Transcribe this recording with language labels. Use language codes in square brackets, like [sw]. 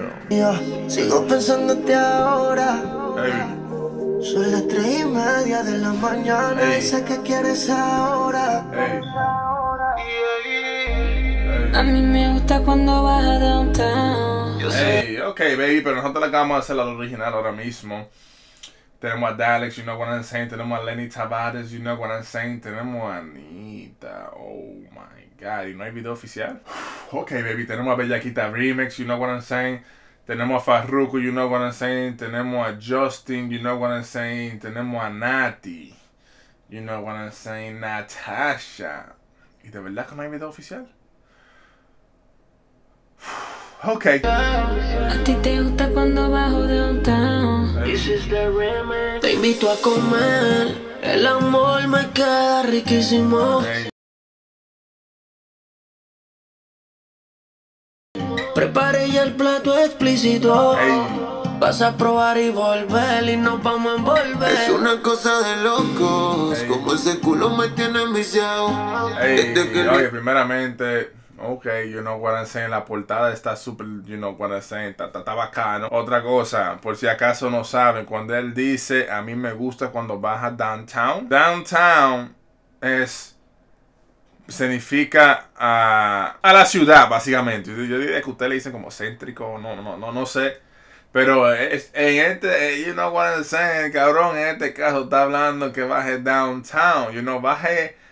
[es] Yo sigo pensándote ahora. Son las 3:30 de la mañana. Y sé que quieres ahora. A mí me gusta cuando vas a downtown. Yo sé. [en] Ok, baby, [es] pero nosotros acabamos de hacer la original ahora mismo. Tenemos a Dalex, [en] you know what I'm saying. [es] Tenemos a Lenny Tavares, you know what I'm saying. Tenemos a Anita, [en] oh my god. [es] Y no hay video oficial. [en] Ok, baby, [es] tenemos a Bellaquita Remix, [en] you know what I'm saying. [es] Tenemos a Farruko, you know what I'm saying. Tenemos a Justin, [en] you know what I'm saying. [es] Tenemos a Nati, you know what I'm saying. Natasha. ¿Y de verdad que no hay video oficial? [en] Ok. [es] A ti te gusta cuando bajo de un town. Te invito a comer. El amor me queda riquísimo. Prepare ya el plato explícito. Vas a probar y volver y nos vamos a envolver. Es una cosa de locos. Como ese culo me tiene enviciado. Oye, primeramente. Ok, [en] you know what I'm saying, [es] la portada está super, you know what I'm saying, está bacano. Otra cosa, por si acaso no saben, cuando él dice, a mí me gusta cuando baja downtown. Downtown es, significa a la ciudad, básicamente. Yo diría que usted le dice como céntrico, no sé. Pero en este, [en] you know what I'm saying, [es] el cabrón en este caso está hablando que baje downtown, [en] you know, [es] baje...